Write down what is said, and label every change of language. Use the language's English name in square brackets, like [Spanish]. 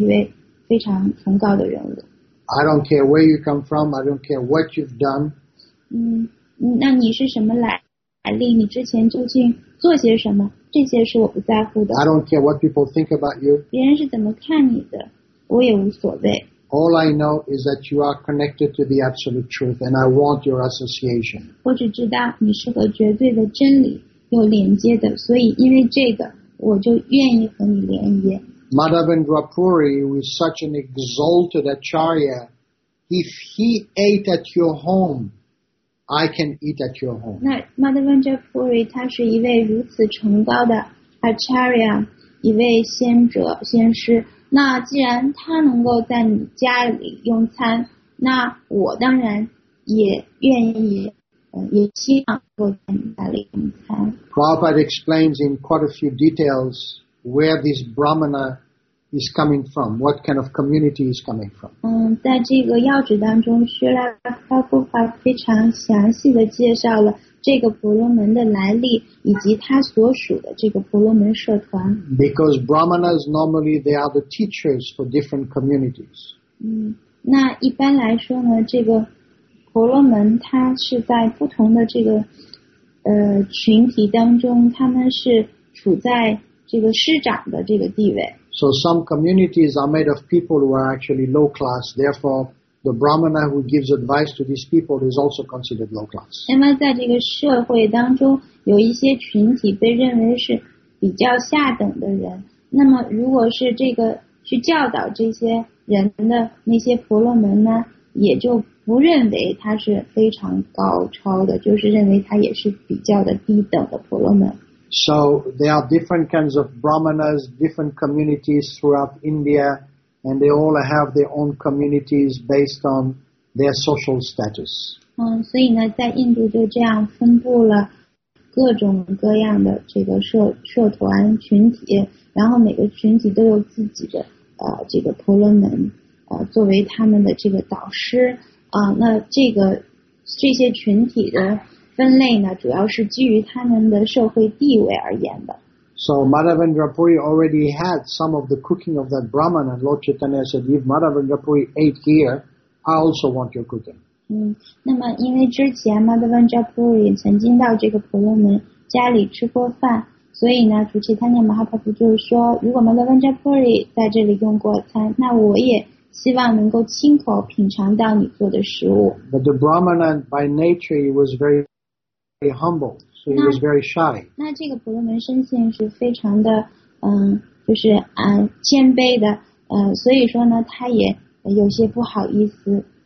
[Chinese] 你是处在这个师徒的传系当中，师徒的这个传承里面的，那你应当被认为是一位非常崇高的人物。 [English] I don't care where you come from. I don't care what you've done. [Chinese] 那你是什么来？你之前究竟做些什么？这些是我不在乎的。 [English] I don't care what people think about you. [Chinese] 别人是怎么看你的，我也无所谓。 [English] All I know is that you are connected to the absolute truth, and I want your association. [Chinese] 我只知道你是和绝对的真理有连接的，所以因为这个，我就愿意和你联谊。Madhavendra [English] Puri was such an exalted acharya. If he ate at your home, I can eat at your home. [Chinese] 那 Madhavendra Puri 他是一位如此崇高的 acharya， 一位先知，先师。那既然他能够在你家里用餐，那我当然也愿意，也希望能够在你家里用餐。 [English] Prabhupada explains in quite a few details where this Brahmana is coming from, what kind of community is coming from. [Chinese] 在这个要旨当中，薛拉夫布法非常详细的介绍了这个婆罗门的来历以及他所属的这个婆罗门社团。 [English] Because Brahmanas normally they are the teachers for different communities. [Chinese] 那一般来说呢，这个婆罗门他是在不同的这个群体当中，他们是处在这个师长的这个地位。 [English] So some communities are made of people who are actually low class. Therefore, the brahmana who gives advice to these people is also considered low class. [Chinese] 那么在这个社会当中，有一些群体被认为是比较下等的人。那么如果是这个去教导这些人的那些婆罗门呢，也就不认为他是非常高超的，就是认为他也是比较的低等的婆罗门。 [English] So there are different kinds of brahmanas, different communities throughout India, and they all have their own communities based on their social status. [Chinese] 所以呢，在印度就这样分布了各种各样的这个社团群体，然后每个群体都有自己的这个婆罗门作为他们的这个导师那这些群体的分类呢，主要是基于他们的社会地位而言的。 [English] So Madhavendra Puri already had some of the cooking of that Brahman, and Lord Chaitanya said, if Madhavendra Puri ate here, I also want your cooking. [Chinese] 那么因为之前 Madhavendra Puri 曾经到这个婆罗门家里吃过饭，所以呢，主持参见马哈帕布就是说，如果 Madhavendra Puri 在这里用过餐，那我也希望能够亲口品尝到你做的食物。 [English] But the Brahmana by nature he was very humble, so he was very shy. [Chinese] 那这个婆罗门生性是非常的就是谦卑的所以说呢他也有些不好意思。